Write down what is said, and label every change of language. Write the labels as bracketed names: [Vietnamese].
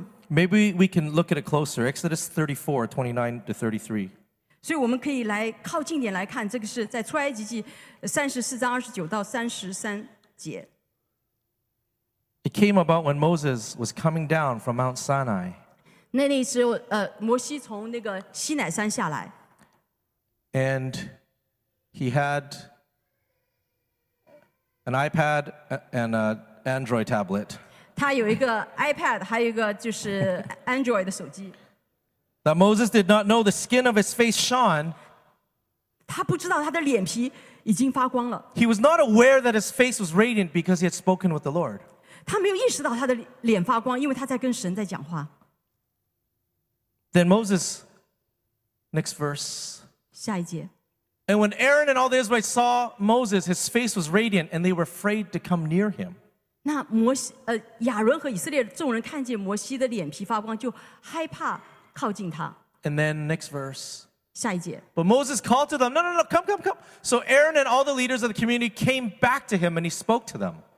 [English] Maybe we can look at it closer. Exodus 34:29-33. It came about when Moses was coming down from Mount Sinai. [Chinese] 那时候摩西从那个西乃山下来, [English] and he had an iPad and an Android tablet. [Chinese] 他有一个 iPad, 还有一个就是 Android 的手机。 [English] That Moses did not know the skin of his face shone. [Chinese] 他不知道他的脸皮已经发光了。 [English] He was not aware that his face was radiant because he had spoken with the Lord. [Chinese] 他没有意识到他的脸发光, 因为他在跟神在讲话。 [English] Then Moses, next verse. [Chinese] 下一节, [English] and when Aaron and all the Israelites saw Moses, his face was radiant, and they were afraid to come near him. [Chinese] 那摩西, 亚伦和以色列众人看见摩西的脸皮发光就害怕靠近他。 [English] And then next verse. [Chinese] 下一节, [English] but Moses called to them, no, come. So Aaron and all the leaders of the community came back to him, and he spoke to them.